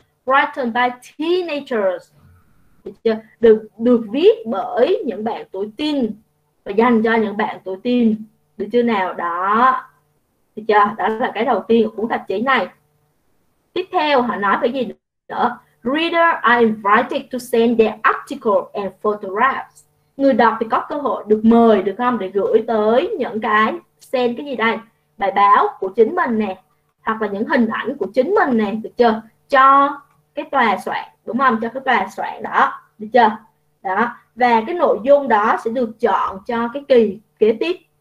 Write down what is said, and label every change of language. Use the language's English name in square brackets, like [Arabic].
[English] Written by teenagers. [Vietnamese] Được viết bởi những bạn tuổi teen và dành cho những bạn tuổi teen. Được chưa nào? Đó. Được chưa? Đó là cái đầu tiên của cuốn tạp chí này. Tiếp theo họ nói cái gì nữa? [English] Readers are invited to send their article and photographs. [Vietnamese] Người đọc thì có cơ hội được mời, được không, để gửi tới những cái send cái gì đây? Bài báo của chính mình nè, hoặc là những hình ảnh của chính mình nè, được chưa? Cho cái tòa soạn, đúng không? Cho cái tòa soạn đó, được chưa? Đó, và cái nội dung đó sẽ được chọn cho cái kỳ kế tiếp.